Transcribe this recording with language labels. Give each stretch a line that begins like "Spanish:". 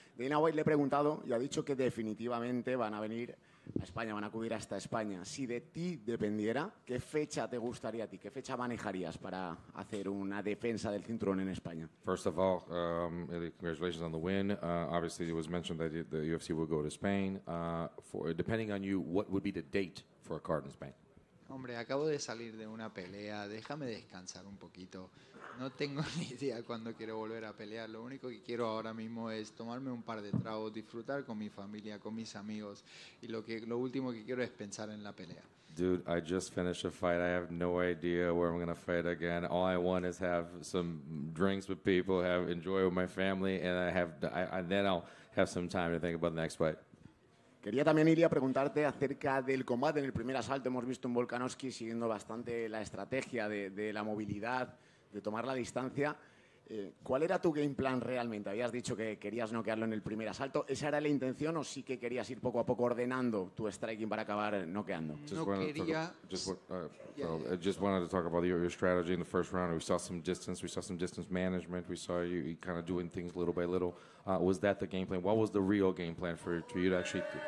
Spanish: Dana White le he preguntado y ha dicho que definitivamente van a venir a España, van a acudir hasta España. Si de ti dependiera, ¿qué fecha te gustaría a ti? ¿Qué fecha manejarías para hacer una defensa del cinturón en España?
English: First of all, Ilia, congratulations on the win. Obviously, it was mentioned that the UFC will go to Spain. Depending on you, what would be the date for a card in Spain?
Spanish: Hombre, acabo de salir de una pelea. Déjame descansar un poquito. No tengo ni idea cuándo quiero volver a pelear. Lo único que quiero ahora mismo es tomarme un par de tragos, disfrutar con mi familia, con mis amigos. Y lo último que quiero es pensar en la pelea.
English: Dude, I just finished a fight. I have no idea where I'm going to fight again. All I want is have some drinks with people, have enjoy with my family, and then I'll have some time to think about the next fight.
Spanish: Quería también ir a preguntarte acerca del combate. En el primer asalto hemos visto un Volkanovski siguiendo bastante la estrategia de la movilidad, de tomar la distancia. ¿Cuál era tu game plan realmente? Habías dicho que querías noquearlo en el primer asalto. ¿Esa era la intención o sí que querías ir poco a poco ordenando tu striking para acabar noqueando?
English: Just wanted to talk about your strategy in the first round. We saw some distance. We saw some distance management. We saw you kind of doing things little by little. Was that the game plan? What was the real game plan for you to actually...